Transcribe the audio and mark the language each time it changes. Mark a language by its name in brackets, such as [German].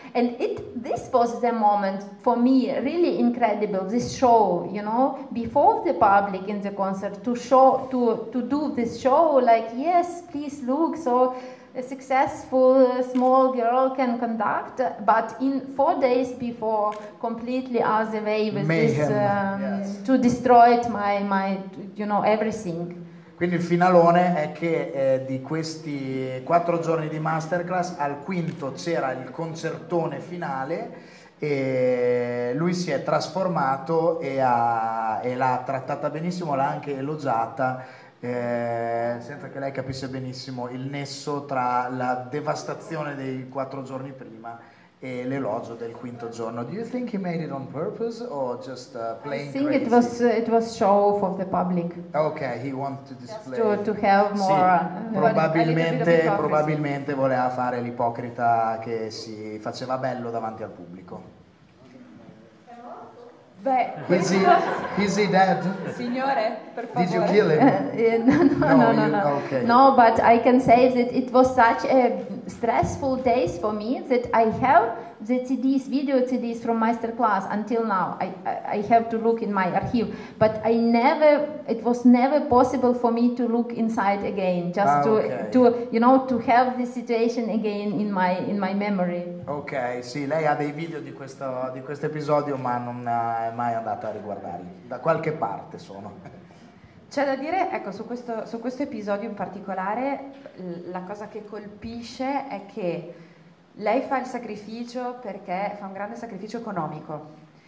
[English] And this was the moment for me, really incredible, this show, you know, before the public in the concert, to do this show, like, yes, please look, so a successful small girl can conduct, but in 4 days before, completely other way with mayhem. This, yes. To destroy my, you know, everything. [Italian] Quindi il finalone è che di questi 4 giorni di masterclass, al quinto c'era il concertone finale e lui si è trasformato e l'ha trattata benissimo, l'ha anche elogiata, senza che lei capisse benissimo il nesso tra la devastazione dei 4 giorni prima e l'elogio del quinto giorno. [English] Do you think he made it on purpose or just plain crazy? I think it was show for the public. Okay, he wanted to display. Just to have more. [Italian] Sì, probabilmente voleva fare l'ipocrita che si faceva bello davanti al pubblico. Beh, [English] is he dead? [Italian] Signore, per favore. [English] Did you kill him? No. Okay. No, but I can say that it was such a stressful days for me that I have the CDs, video CDs from masterclass until now. I have to look in my archive, but it was never possible for me to look inside again, just to you know, to have the situation again in my memory. [Italian] Okay, sì, lei ha dei video di questo episodio, ma non è mai andata a riguardarli. Da qualche parte sono. C'è da dire, ecco, su questo episodio in particolare, la cosa che colpisce è che lei fa il sacrificio perché fa un grande sacrificio economico,